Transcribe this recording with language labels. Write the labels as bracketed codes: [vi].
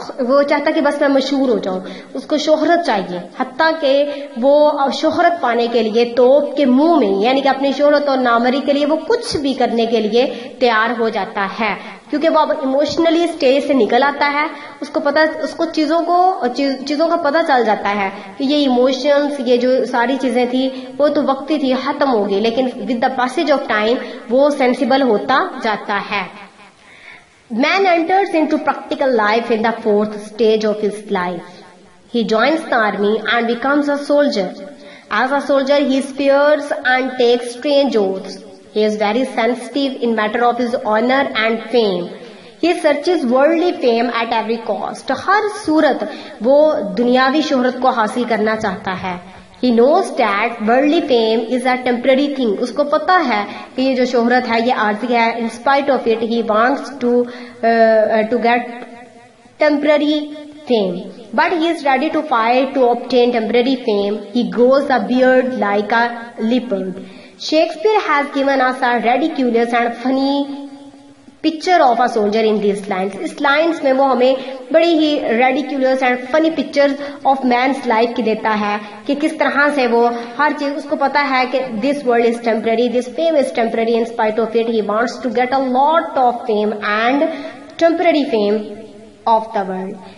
[ur] وہ چاہتا کہ بس میں مشہور ہو جاؤں, اس کو شہرت چاہیے, حتیٰ کہ وہ شہرت پانے کے لیے توپ کے منہ میں, یعنی کہ اپنی شہرت اور نامری کے لیے وہ کچھ بھی کرنے کے لیے تیار ہو جاتا ہے, کیونکہ وہ اب ایموشنلی اسٹیج سے نکل آتا ہے, اس کو چیزوں کا پتہ چل جاتا ہے کہ یہ ایموشنز, یہ جو ساری چیزیں تھیں وہ تو وقتی تھی, ختم ہوگی, لیکن [en] with the passage of time [ur] وہ سینسیبل ہوتا جاتا ہے. [en] Man enters into practical life in the fourth stage of his life. He joins the army and becomes a soldier. As a soldier, he fears and takes strange oaths. He is very sensitive in matter of his honor and fame. He searches worldly fame at every cost. [ur] ہر صورت وہ دنیاوی شہرت کو حاصل کرنا چاہتا ہے. [en] He knows that worldly fame is a temporary thing. [ur] اس کو پتا ہے کہ یہ جو شہرت ہے یہ عارضی ہے. [en] In spite of it, he wants to get temporary fame. But he is ready to fight to obtain temporary fame. He grows a beard like a leopard. Shakespeare has given us a ridiculous and funny picture of a soldier in these lines. [ur] اس lines میں وہ ہمیں بڑی ہی [en] ridiculous and funny picture of man's life [ur] کی دیتا ہے کہ کس طرح سے وہ ہر چیز, اس کو پتا ہے کہ [en] This world is temporary, this fame is temporary, in spite of it he wants to get a lot of fame and temporary fame of the world.